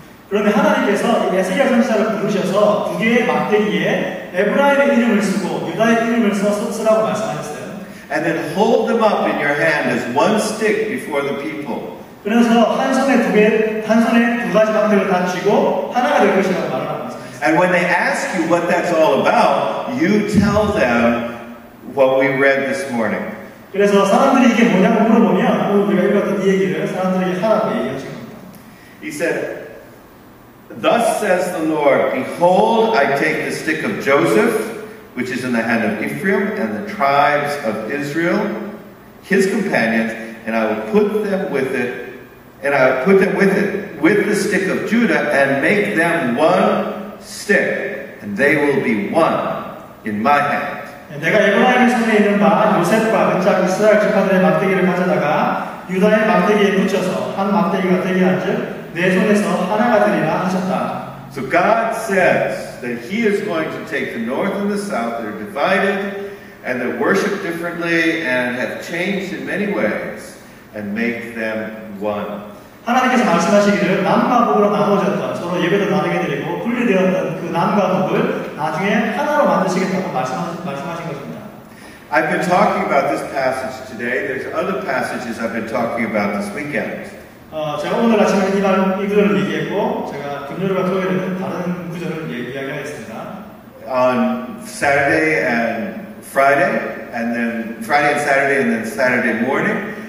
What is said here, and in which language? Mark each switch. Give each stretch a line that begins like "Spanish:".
Korean: 그런데 하나님께서 에스겔 선지자를 부르셔서 두 개의 막대기에 에브라임의 이름을 쓰고 유다의 이름을 써서 쓰라고 말씀하셨어요.
English: and then hold them up in your hand as one stick before the people.
Korean: 그래서 한 손에 두 개, 한 손에 두 가지 방패를 다 쥐고 하나가 될 것이라고 말합니다.
English: And when they ask you what that's all about, you tell them what we read this morning.
Korean: 그래서 사람들이 이게 뭐냐고 물어보면 오늘 우리가 읽었던 이 얘기를 사람들에게 하라고 얘기하죠.
English: He said, Thus says the Lord, Behold, I take the stick of Joseph, which is in the hand of Ephraim, and the tribes of Israel, his companions, and I will put them with it, and I will put them with it, with the stick of Judah, and make them one stick, and they will be one in my hand.
Korean: 내가 에브라임의 손에 있는 바 요셉과 그 짝 이스라엘 지파들의 막대기를 가져다가 유다의 막대기에 붙여서 한 막대기가 되게 한즉 내 손에서 하나가 되리라 하셨다.
English: So God says that He is going to take the north and the south that are divided and that worship differently and have changed in many ways and make them one.
Korean: 하나님께서 말씀하시기를 남과 북으로 나누어졌던 서로 예배도 나누게 드리고 분리되었던 그 남과 북을 나중에 하나로 만드시겠다고 말씀하신 것입니다.
English: I've been talking about this passage today. There's other passages I've been talking about this weekend.
Korean: 제가 오늘 아침에 이 글을 얘기했고 제가 금요일과 토요일에는 다른 구절을 이야기하겠습니다.
English: On Saturday and Friday, and then Friday and Saturday, and then Saturday morning.